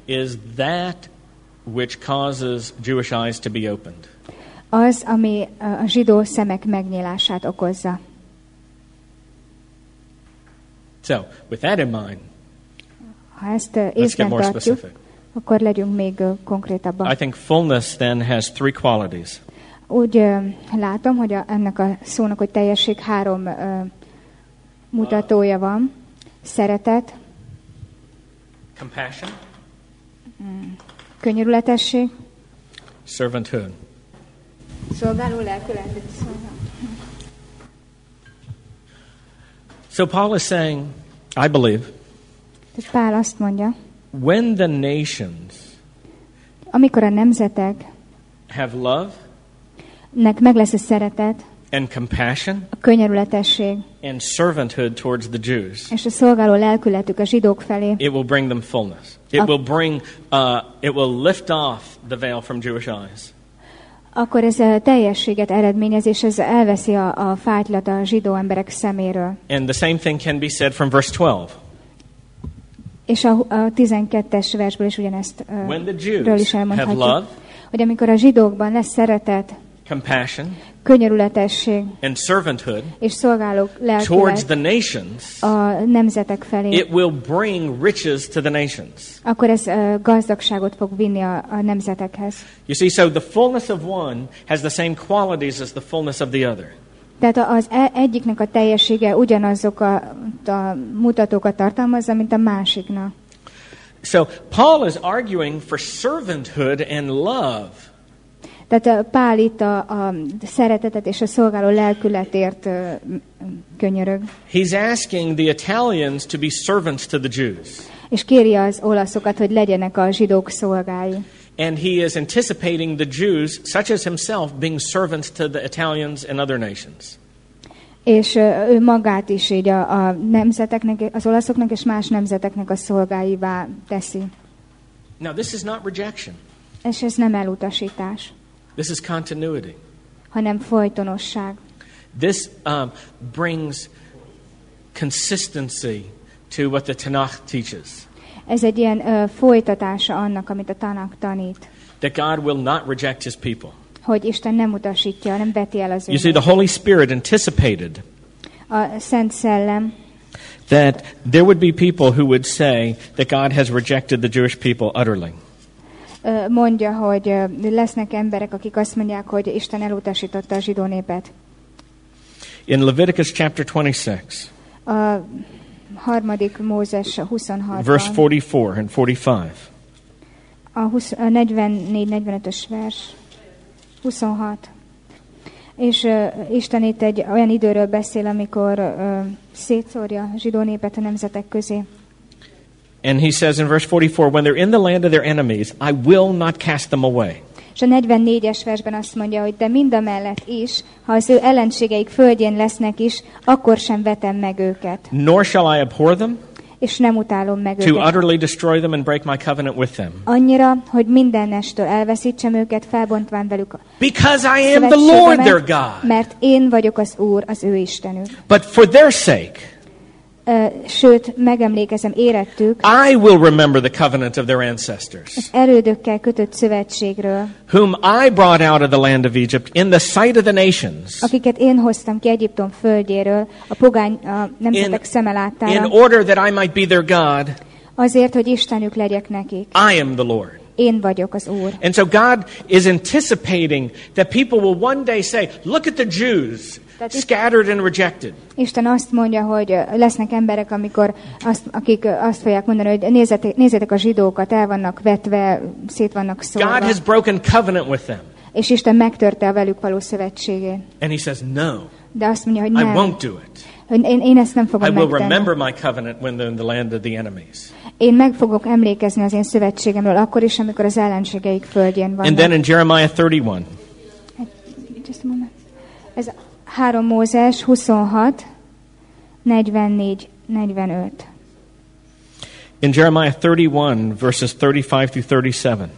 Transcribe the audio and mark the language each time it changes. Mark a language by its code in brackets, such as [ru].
[en] is that which causes Jewish eyes to be opened. [hu] Az, ami a zsidó szemek megnyílását okozza. [en] So, with that in mind, [hu] ha ezt észben tartjuk, akkor legyünk még konkrétabban. [en] I think fullness then has three qualities. [hu] Úgy látom, hogy ennek a szónak, hogy teljesség, három mutatója van. Szeretet. [en] Compassion. [hu] Könyörületesség. [en] Servanthood. [hu] Szolgáló lelkületet szolgál. [en] So Paul is saying, I believe. [hu] Tehát Pál azt mondja. [en] When the nations, [hu] amikor a nemzetek, [en] have love, [hu] nek meg lesz a szeretet, [en] and compassion, [hu] a könyörületesség, [en] and servanthood towards the Jews, [hu] és a szolgáló lelkületük a zsidók felé, [en] it will bring them fullness. It will lift off the veil from Jewish eyes. [hu] Akkor ez a teljességet eredményez, és ez elveszi a fájtlat a zsidó emberek szeméről. [en] And the same thing can be said from verse 12. [hu] És a 12-es versből is ugyanezt ről is elmondhatjuk, [en] love, [hu] hogy amikor a zsidókban lesz szeretet, [en] compassion, [hu] könyörületesség, [en] and servanthood, [hu] és szolgálók lelkület [en] towards the nations, [hu] a nemzetek felé, [en] it will bring riches to the nations. [hu] Akkor ez gazdagságot fog vinni a nemzetekhez. [en] You see, so the fullness of one has the same qualities as the fullness of the other. [hu] Tehát az egyiknek a teljessége ugyanazok a mutatókat tartalmazza, mint a másiknak. [en] So Paul is arguing for servanthood and love. [hu] Tehát Pál itt a szeretetet és a szolgáló lelkületért könyörög. [en] He's asking the Italians to be servants to the Jews. [hu] És kéri az olaszokat, hogy legyenek a zsidók szolgái. [en] And he is anticipating the Jews, such as himself, being servants to the Italians and other nations. [hu] És ő magát is így a nemzeteknek, az olaszoknak és más nemzeteknek a szolgáivá teszi. [en] Now this is not rejection. [hu] És ez nem elutasítás. [en] This is continuity. [hu] Hanem folytonosság. [en] This brings consistency to what the Tanakh teaches. [hu] Ez egy ilyen folytatása annak, amit a Tanakh tanít. [en] That God will not reject his people. [hu] Hogy Isten nem utasítja, nem veti el az [en] őket. You see, the Holy Spirit anticipated [hu] a Szent Szellem [en] that there would be people who would say that God has rejected the Jewish people utterly. [hu] Mondja, hogy lesznek emberek, akik azt mondják, hogy Isten elutasította a zsidó népet. [en] In Leviticus chapter 26. [hu] A harmadik Mózes 26. [en] Verse 44 and 45. [hu] A 44-45-ös vers. 26. És Isten itt egy olyan időről beszél, amikor szétszórja a zsidó népet a nemzetek közé. [en] And he says in verse 44, when they're in the land of their enemies, I will not cast them away. [hu] És a 44-es versben azt mondja, hogy de mindamellett is, ha az ő ellenségeik földjén lesznek is, akkor sem vetem meg őket. [en] Nor shall I abhor them. [hu] És nem utálom meg [en] to [hu] őket. [en] To utterly destroy them and break my covenant with them. [hu] Annyira, hogy mindenestől elveszítsem őket, felbontván velük a [en] Because I am the Lord their God. [hu] Mert én vagyok az Úr, az ő Istenük. [en] But for their sake. [hu] Sőt, megemlékezem érettük. [en] I will remember the covenant of their ancestors. [hu] Az elődökkel kötött szövetségről. [en] Whom I brought out of the land of Egypt in the sight of the nations. [hu] Akiket én hoztam ki Egyiptom földjéről a pogány a nemzetek szeme láttára. [en] In order that I might be their God. [hu] Azért, hogy Istenük legyek nekik. [en] I am the Lord. [hu] Én vagyok az Úr. [en] And so God is anticipating that people will one day say, look at the Jews. Scattered and rejected. [hu] Isten azt mondja, hogy lesznek emberek, amikor akik azt fogják mondani, hogy nézzetek a zsidókat, el vannak vetve, szét vannak szólva. [en] God has broken covenant with them. [hu] És Isten megtörte a velük való szövetségét. [en] And he says no. [hu] De azt mondja, hogy nem. [en] I won't do it. [hu] Én ezt nem fogom [en] I will remember my covenant when they're in the land of the enemies. [hu] Én meg fogok emlékezni az én szövetségemről akkor is, amikor az ellenségeik földjén vannak. [en] And then in Jeremiah 31. Just a moment. [hu] Ez a 3 Mózes 26, 44, 45. [en] In Jeremiah 31, verses 35 through 37.